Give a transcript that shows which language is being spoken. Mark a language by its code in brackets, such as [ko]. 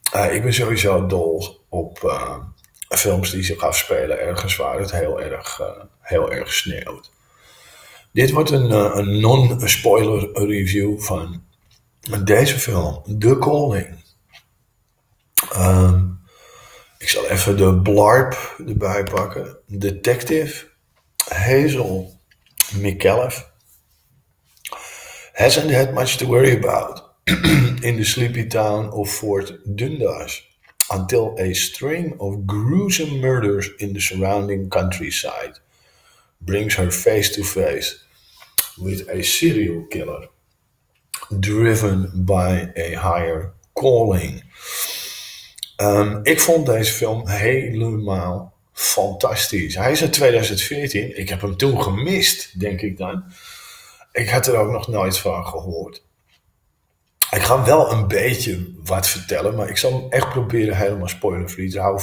[nl] Ik ben sowieso dol op films die zich afspelen ergens waar het heel erg sneeuwt. Dit wordt een non-spoiler review van deze film, The Calling. Ik zal even de blarp erbij pakken. [en] Detective Hazel McAuliffe hasn't had much to worry about in the sleepy town of Fort Dundas, until a string of gruesome murders in the surrounding countryside brings her face to face with a serial killer driven by a higher calling. [nl] Ik vond deze film helemaal fantastisch. Hij is uit 2014. Ik heb hem toen gemist, denk ik dan. Ik had er ook nog nooit van gehoord. Ik ga wel een beetje wat vertellen, maar ik zal hem echt proberen helemaal spoiler-free te houden.